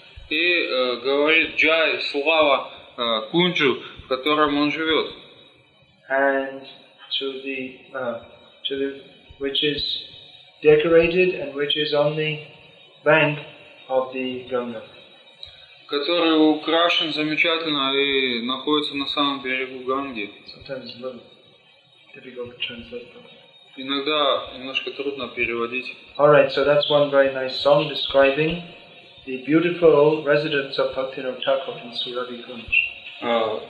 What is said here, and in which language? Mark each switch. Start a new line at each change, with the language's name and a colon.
Russian: И говорит Джай слава Кунджу, в котором он живет.
English: And to the which is decorated and which is on the bank of the Ganga.
Russian: Который украшен замечательно и находится на самом берегу Ганги.
English: Sometimes it's a little difficult to translate that.
Russian: Иногда немножко трудно переводить.
English: All right, so that's one very nice song describing the beautiful residence of Bhaktivinoda Thakur in Suradi Kunj.